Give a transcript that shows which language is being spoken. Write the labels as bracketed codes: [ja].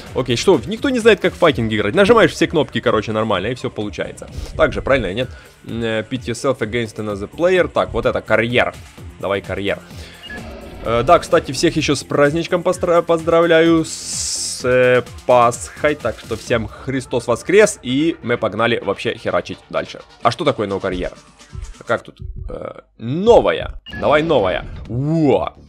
[ru] Окей, что, никто не знает, как в файтинге играть. Нажимаешь все кнопки, короче, нормально, и все получается. Так же, правильно, нет? [en] Pit yourself against another player. [ru] Так, вот это, карьер. Давай карьер. Да, кстати, всех еще с праздничком поздравляю с Пасхой. Так что всем Христос воскрес. И мы погнали вообще херачить дальше. А что такое новый карьер? Как тут? Новая. Давай новая. Во.